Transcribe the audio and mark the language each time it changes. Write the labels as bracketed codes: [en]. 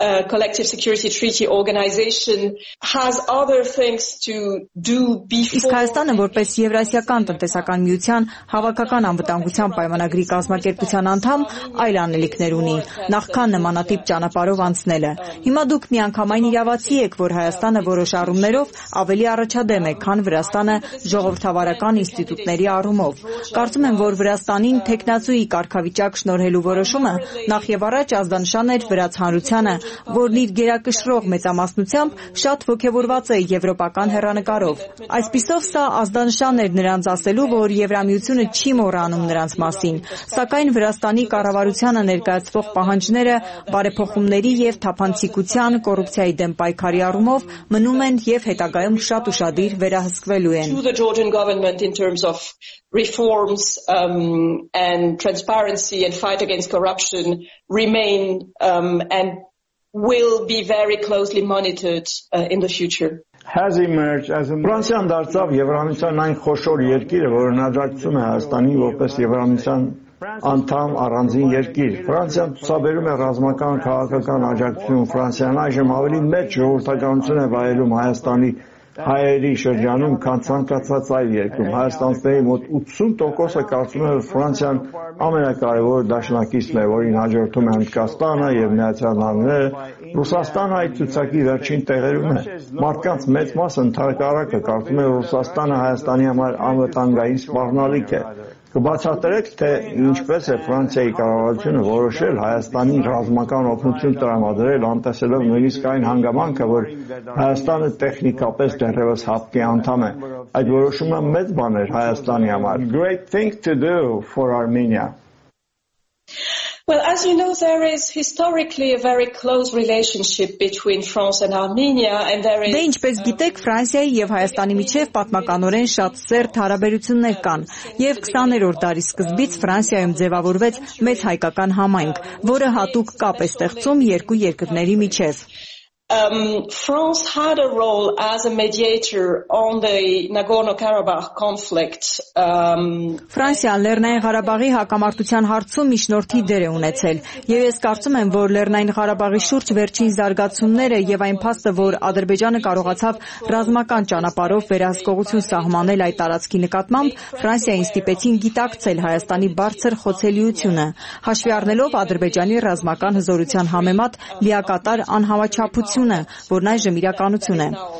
[en] Collective Security Treaty Organization has other things to do before. [hy] Իսկ Հայաստանը որպես Եվրասիական տնտեսական միության հավաքական անվտանգության պայմանագրի կազմակերպության անդամ այլ անելիքներ ունի, նախքան նմանատիպ ճանապարհով անցնելը։ Հիմա դուք միանգամայն իրավացի եք, որ Հայաստանը որոշ առումներով ավելի առաջադեմ է, քան Վրաստանը ժողովրդավարական ինստիտուտների առումով։ Կարծում եմ, որ Վրաստանին թեկնածուի կարգավիճակ շնորհելու որոշումը նախ եւ առաջ ազդանշան էր վրացհանրությանը, որն իր գերակշռող մեծամասնությամբ շատ ոգևորված է եվրոպական հեռանկարով։ Այսպիսով սա ազդանշան էր նրանց ասելու, որ Եվրամիությունը չի մոռանում նրանց մասին, սակայն Վրաստանի կառավարությանը ներկայացվող պահանջները բարեփոխումների եւ թափանցիկության, կոռուպցիայի դեմ պայքարի առումով մնում են եւ հետագայում շատ ուշադիր վերահսկվելու են։ [en] Reforms and transparency and fight against corruption remain and will be very closely monitored in the future. Has emerged as a [hy] Ֆրանսիան դարձավ Եվրամիության այն խոշոր երկիրը, որը նաճակցում է Հայաստանի որպես Եվրամիության անդամ առանձին երկիր։ Ֆրանսիան ցուցաբերում է ռազմական քաղաքական աջակցություն, Ֆրանսիան այժմ ավելի մեծ ժողովրդականություն է վայելում Հայաստանի հայերի շրջանում, քան ցանկացած այլ երկրում։ Հայաստանցների մոտ 80% կարծում է, որ Ֆրանսիան ամենակարևոր դաշնակիցն է, որին հաջորդում է Հնդկաստանը եւ Միացյալ Նահանգները։ Ռուսաստանը այդ ցուցակի վերջին տեղերում է։ Մարդկանց մեծ մասը ընդհանրապես կարծում է, որ Ռուսաստանը Հայաստանի համար անվտանգային սպառնալիք է։ Կբացատրեք, թե ինչպես է Ֆրանսիայի կառավարությունը որոշել Հայաստանի ռազմական օգնություն տրամադրել, անտեսելով նույնիսկ այն հանգամանքը, որ Հայաստանը տեխնիկապես դեռևս հապկի անդամ է։ Այդ որոշումը մեծ բան էր Հայաստանի համար. [en] Great thing to do for Armenia. Well, as you know, there is historically a very close relationship between France and Armenia, and there is. [hy] Դե ինչպես գիտեք, Ֆրանսիայի եւ Հայաստանի միջև պատմականորեն շատ սերտ հարաբերություններ կան, եւ 20-րդ դարի սկզբից Ֆրանսիայում ձևավորվեց մեծ հայկական համայնք, որը հատուկ կապ է ստեղծում երկու երկրների միջև։ [en] France had a role as a mediator on the Nagorno-Karabakh conflict. [hy] Ֆրանսիա Լեռնային Ղարաբաղի հակամարտության հարցում միջնորդի դեր է ունեցել, եւ ես կարծում եմ, որ Լեռնային Ղարաբաղի շուրջ վերջին զարգացումները եւ այն փաստը, որ Ադրբեջանը կարողացավ ռազմական ճանապարհով վերահսկողություն սահմանել այդ տարածքի նկատմամբ, Ֆրանսիային ստիպեցին դիտակցել Հայաստանի բարձր խոցելիությունը, հաշվի առնելով Ադրբեջանի ռազմական հզորության համեմատ լիակատար անհավաճապություն, որն այժմ իրականություն է։